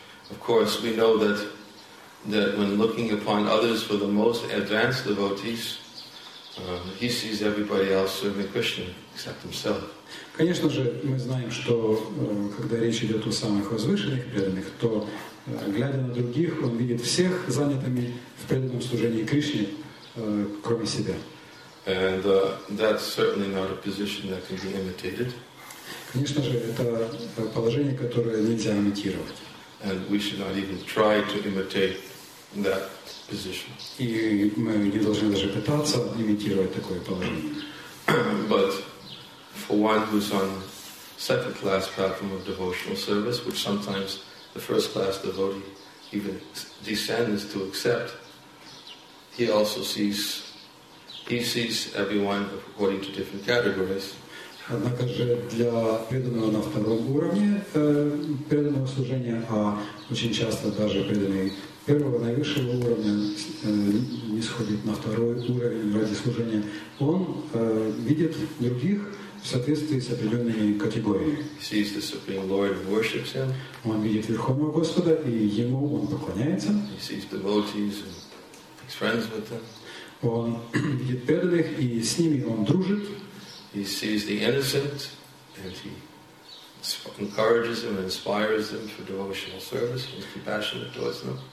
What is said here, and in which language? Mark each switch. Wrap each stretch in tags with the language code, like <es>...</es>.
<en>Of course, we know that when looking upon others for the most advanced devotees, he sees everybody else serving Krishna except himself.</en> <ru>Конечно же, мы знаем, что когда речь идет о самых возвышенных преданных, то глядя на других, он видит всех занятыми в преданном служении Кришне, кроме себя.</ru> <en>And that's certainly not a position that can be imitated.</en> <ru>Конечно же, это положение, которое нельзя имитировать.</ru> <en>And we should not even try to imitate that position.</en> <ru>И мы не должны даже пытаться имитировать такое положение.</ru> <en>But for one who's on second class platform of devotional service, which sometimes the first class devotee even descends to accept, he also sees. He sees everyone according to different categories.</en> <ru>Однако же для преданного на втором уровне преданного служения, а очень часто даже преданный первого наивысшего уровня не сходит на второй уровень ради служения, он видит других в соответствии с определенными категориями.</ru> <en>Sees the Supreme Lord and worships him.</en> <ru>Он видит Верховного Господа и ему он поклоняется.</ru> <en>He sees devotees and makes friends with them.</en> <ru>Он видит преданных, и с ними он дружит.</ru> <en>He sees the innocent, and he encourages them and inspires them for devotional service and compassionate towards them.</en>